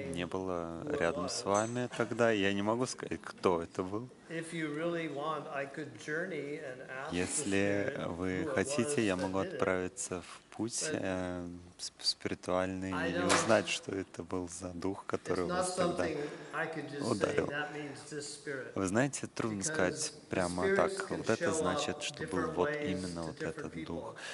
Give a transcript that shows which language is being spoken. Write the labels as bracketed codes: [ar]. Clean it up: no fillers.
[ru] Меня не было рядом с вами тогда. Я не могу сказать, кто это был. [en] If you really want, I could journey and ask. [ru] Если вы хотите, я могу отправиться в путь спиритуальный и узнать, что это был за дух, который вас тогда ударил. Вы знаете, трудно сказать прямо так. Вот это значит, что был вот именно вот этот дух.